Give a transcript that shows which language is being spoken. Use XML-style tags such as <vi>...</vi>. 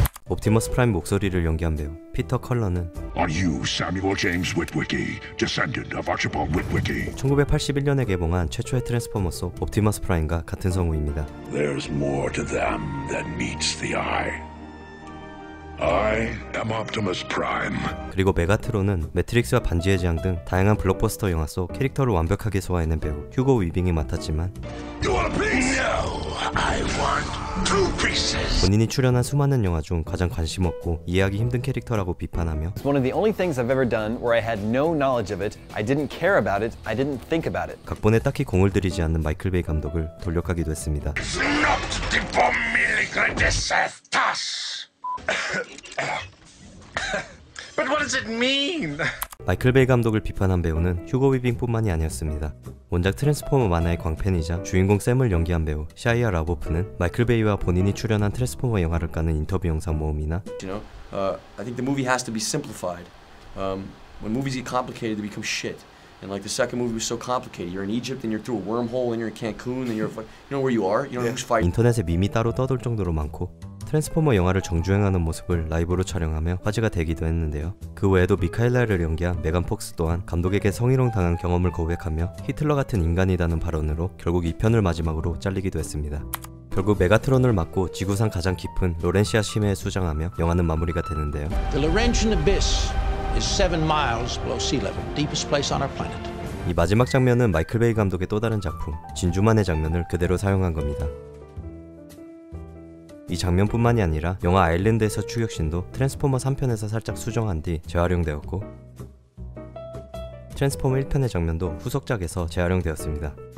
<ko>옵티머스 프라임 목소리를 연기한 배우 피터 컬러는 1981년에 개봉한 최초의 트랜스포머 속 옵티머스 프라임과 같은 성우입니다.</ko> <en>There's more to them than meets the eye. I am Optimus Prime.</en> <ko>그리고 메가트론은 매트릭스와 반지의 제왕 등 다양한 블록버스터 영화 속 캐릭터를 완벽하게 소화해낸 배우 휴고 위빙이 맡았지만</ko> <en>You want a piece? No, I want two pieces.</en> <ko>본인이 출연한 수많은 영화 중 가장 관심 없고 이해하기 힘든 캐릭터라고 비판하며</ko> <en>It's one of the only things I've ever done where I had no knowledge of it. I didn't care about it. I didn't think about it.</en> <ko>각본에 딱히 공을 들이지 않는 마이클 베이 감독을 돌격하기도 했습니다.</ko> <en>Not the familiar disasters. But what does it mean?</en> <ko>마이클 베이 감독을 비판한 배우는 휴거 위빙뿐만이 아니었습니다. 원작 트랜스포머 만화의 광팬이자 주인공 샘을 연기한 배우 샤이아 라보프는 마이클 베이와 본인이 출연한 트랜스포머 영화를 까는 인터뷰 영상 모음이나</ko> <en>You know, I think the movie has to be simplified. When movies get complicated, they become shit. And like the second movie was so complicated. You're in Egypt and you're through a wormhole and you're in Cancun and you're you know where you are? You know who's fighting?</en> <ko>인터넷에 밈이 따로 떠돌 정도로 많고 트랜스포머 영화를 정주행하는 모습을 라이브로 촬영하며 화제가 되기도 했는데요. 그 외에도 미카엘라를 연기한 메간 폭스 또한 감독에게 성희롱 당한 경험을 고백하며 히틀러 같은 인간이라는 발언으로 결국 이 편을 마지막으로 잘리기도 했습니다. 결국 메가트론을 맡고 지구상 가장 깊은 로렌시아 심해에 수장하며 영화는 마무리가 되는데요.</ko> <en>The Laurentian Abyss is 7 miles below sea level, deepest place on our planet.</en> <ko>이 마지막 장면은 마이클 베이 감독의 또 다른 작품 진주만의 장면을 그대로 사용한 겁니다. 이 장면뿐만이 아니라 영화 아일랜드에서 추격신도 트랜스포머 3편에서 살짝 수정한 뒤 재활용되었고 트랜스포머 1편의 장면도 후속작에서 재활용되었습니다.</ko>